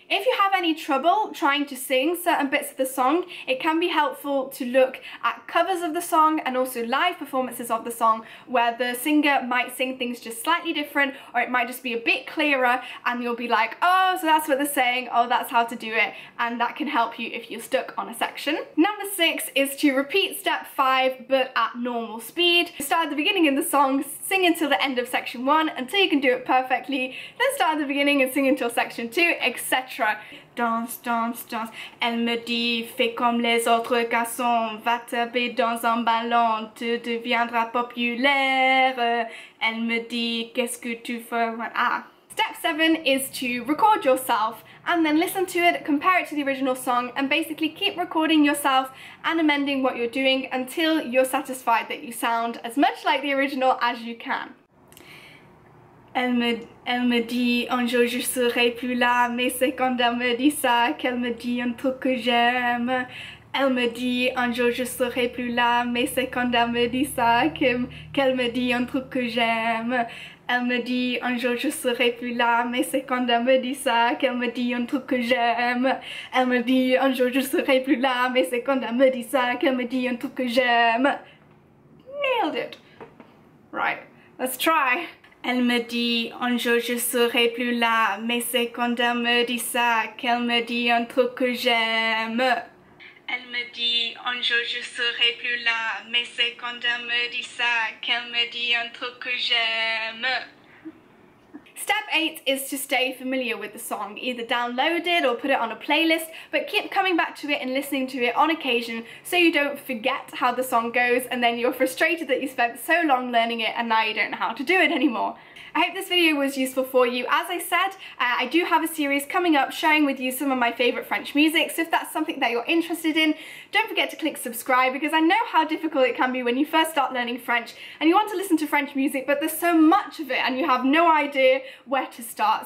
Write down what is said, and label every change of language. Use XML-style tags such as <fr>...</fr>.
<en>If you have any trouble trying to sing certain bits of the song, it can be helpful to look at covers of the song and also live performances of the song, where the singer might sing things just slightly different, or it might just be a bit clearer and you'll be like, oh, so that's what they're saying, oh, that's how to do it, and that can help you if you're stuck on a section. Number six is to repeat step five but at normal speed. Start at the beginning of the song, sing until the end of section one until you can do it perfectly, then start at the beginning and sing until section two, etc. Dance, dance, dance.</en> <fr>Elle me dit, fais comme les autres garçons, va taper dans un ballon, tu deviendras populaire. Elle me dit, qu'est-ce que tu feras? Ah.</fr> <en>Step seven is to record yourself and then listen to it, compare it to the original song, and basically keep recording yourself and amending what you're doing until you're satisfied that you sound as much like the original as you can.</en> <fr>Elle me dit un jour je serai plus là, mais c'est quand elle me dit ça qu'elle me dit un truc que j'aime. Elle me dit un jour je serai plus là, mais c'est quand elle me dit ça qu'elle me dit un truc que j'aime. Elle me dit un jour je serai plus là, mais c'est quand elle me dit ça qu'elle me dit un truc que j'aime. Elle me dit un jour je serai plus là, mais c'est quand elle me dit ça qu'elle me dit un truc que j'aime.</fr> <en>Nailed it. Right, let's try.</en> <fr>Elle me dit un jour je serai plus là, mais c'est quand elle me dit ça qu'elle me dit un truc que j'aime. Elle me dit un jour je serai plus là, mais c'est quand elle me dit ça qu'elle me dit un truc que j'aime.</fr> <en>Step 8 is to stay familiar with the song, either download it or put it on a playlist, but keep coming back to it and listening to it on occasion so you don't forget how the song goes and then you're frustrated that you spent so long learning it and now you don't know how to do it anymore. I hope this video was useful for you. As I said, I do have a series coming up sharing with you some of my favourite French music, so if that's something that you're interested in, don't forget to click subscribe, because I know how difficult it can be when you first start learning French and you want to listen to French music, but there's so much of it and you have no idea where to start.</en>